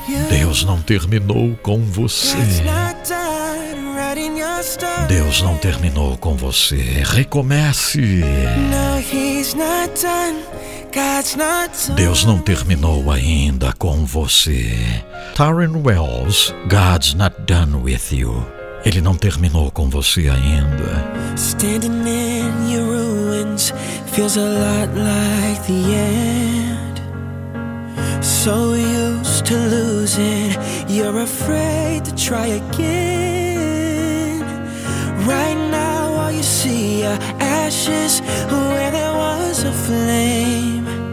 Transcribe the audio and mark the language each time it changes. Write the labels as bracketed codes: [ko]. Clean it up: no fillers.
[pt] Deus não terminou com você. Deus não terminou com você. Recomece. Deus não terminou ainda com você. [en] Tarin Wells, God's not done with you. [pt] Ele não terminou com você ainda. [en] Standing in your ruins feels a lot like the end. So used to losing, you're afraid to try again. Right now all you see are ashes where there was a flame.